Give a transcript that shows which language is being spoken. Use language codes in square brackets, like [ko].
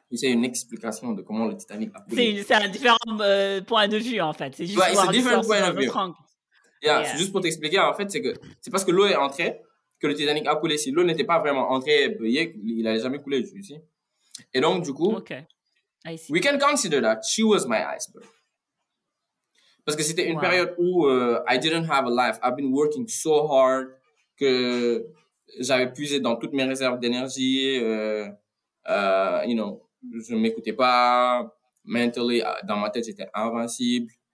[fr] C'est une explication de comment le Titanic a coulé. C'est un différent point de vue, en fait. C'est juste ouais, c'est différent point de vue. C'est juste pour t'expliquer, en fait, c'est que c'est parce que l'eau est entrée que le Titanic a coulé. Si l'eau n'était pas vraiment entrée, il n'allait jamais couler, je sais. Et donc, du coup, [en] okay. I see. We can consider that she was my iceberg. [fr] Parce que c'était une période où [en] I didn't have a life. I've been working so hard [fr] que j'avais puisé dans toutes mes réserves d'énergie. Je ne m'écoutais pas. Mentally, dans ma tête, j'étais invincible.